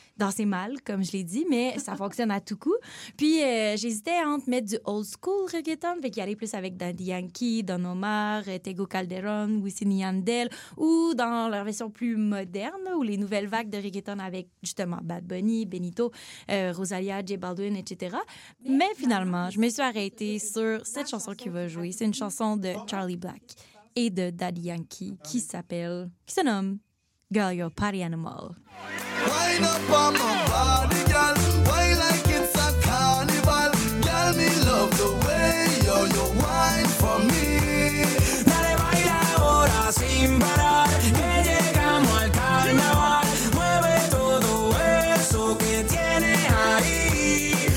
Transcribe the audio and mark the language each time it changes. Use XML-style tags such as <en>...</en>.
<fr>Danser mal, comme je l'ai dit, mais ça fonctionne à tout coup. Puis, j'hésitais entre mettre du old school reggaeton, fait qu'il y allait plus avec Daddy Yankee, Don Omar, Tego Calderon, Wisin Yandel, ou dans leur version plus moderne, ou les nouvelles vagues de reggaeton avec, justement, Bad Bunny, Benito, Rosalia, J Balvin, etc. Mais finalement, je me suis arrêtée sur cette chanson qui va jouer. C'est une chanson de Charlie Black et de Daddy Yankee qui se nomme Girl, You're a Party Animal.</fr> <en>Wind up on my body, girl. Wind like it's a carnival. Girl, me love the way you wind for me.</en> <es>Dale, baila ahora sin parar. Que llegamos al carnaval. Mueve todo eso que tiene ahí.</es>